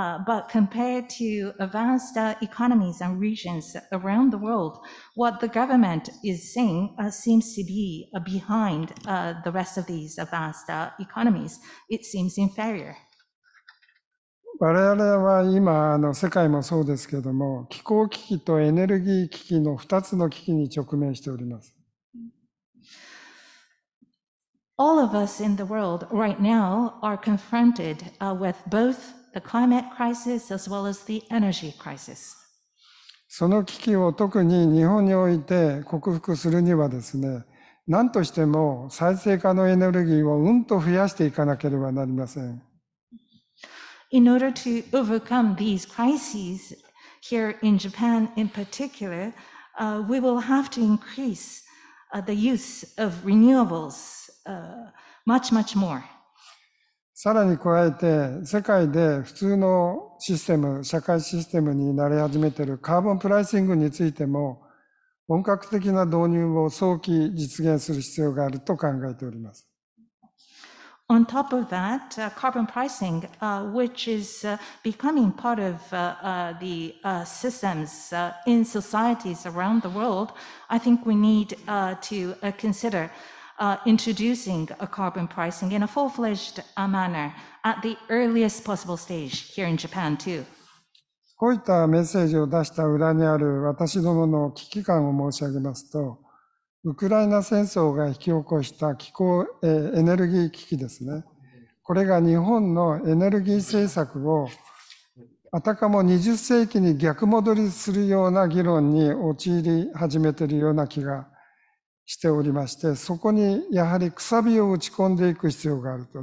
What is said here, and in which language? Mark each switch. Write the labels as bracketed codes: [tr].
[en] But compared to advanced economies and regions around the world, what the government is saying seems to be behind the rest of these advanced economies. It seems inferior. [ja] 我々は今の世界もそうですけれども、気候危機とエネルギー危機の2つの危機に直面しております。 [en] All of us in the world right now are confronted with both the climate crisis as well as the energy crisis. [ja] その危機を特に日本において克服するにはですね、何としても再生可能エネルギーをうんと増やしていかなければなりません。 [en] In order to overcome these crises here in Japan in particular, we will have to increase the use of renewables much, much more. [ja] さらに加えて、世界で普通のシステム、社会システムに慣れ始めているカーボンプライシングについても、本格的な導入を早期実現する必要があると考えております。 [en] On top of that, carbon pricing, which is becoming part of the systems in societies around the world, I think we need to consider introducing a carbon pricing in a full-fledged manner at the earliest possible stage here in Japan too. [ja] こういったメッセージを出した裏にある私どもの危機感を申し上げますと、ウクライナ戦争が引き起こした気候、エネルギー危機ですね。これが日本のエネルギー政策をあたかも20世紀に逆戻りするような議論に陥り始めているような気がしておりまして、そこにやはりくさびを打ち込んでいく必要があると。